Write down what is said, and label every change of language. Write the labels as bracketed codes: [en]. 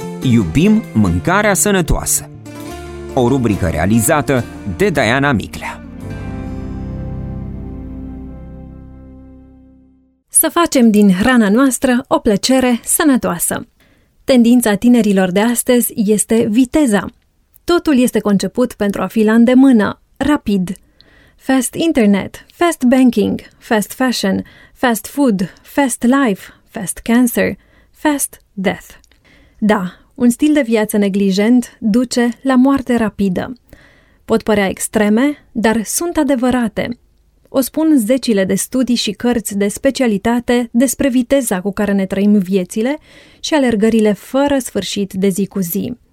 [ro] Iubim mâncarea sănătoasă. O rubrică realizată de Diana Miclea. Să facem din hrana noastră o plăcere sănătoasă. Tendința tinerilor de astăzi este viteza. Totul este conceput pentru a fi la îndemână, rapid. [en] Fast internet, fast banking, fast fashion, fast food, fast life, fast cancer, fast death. [ro] Da, un stil de viață neglijent duce la moarte rapidă. Pot părea extreme, dar sunt adevărate. O spun zecile de studii și cărți de specialitate despre viteza cu care ne trăim viețile și alergările fără sfârșit de zi cu zi.